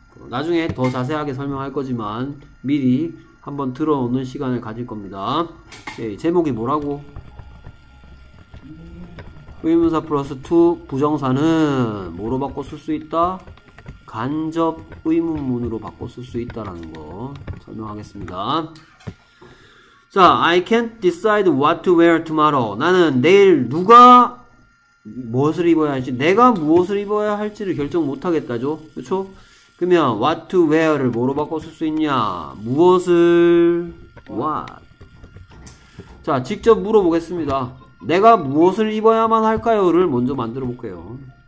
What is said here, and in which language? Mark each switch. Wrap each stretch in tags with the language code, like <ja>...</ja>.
<ko>나중에 더 자세하게 설명할 거지만 미리 한번 들어오는 시간을 가질 겁니다. 예, 제목이 뭐라고? 의문사 플러스 투 부정사는 뭐로 바꿔 쓸수 있다? 간접 의문문으로 바꿔 쓸수 있다라는 거 설명하겠습니다. 자,</ko> <en>자, I can't decide what to wear tomorrow.</en> <ko>나는 내일 누가 무엇을 입어야 할지, 내가 무엇을 입어야 할지를 결정 못 하겠다죠. 그쵸? 그러면</ko> <en>what to wear</en> <ko>을 뭐로 바꿔 쓸 수 있냐? 무엇을 what? 자, 직접 물어보겠습니다. 내가 무엇을 입어야만 할까요?를 먼저 만들어 볼게요.</ko>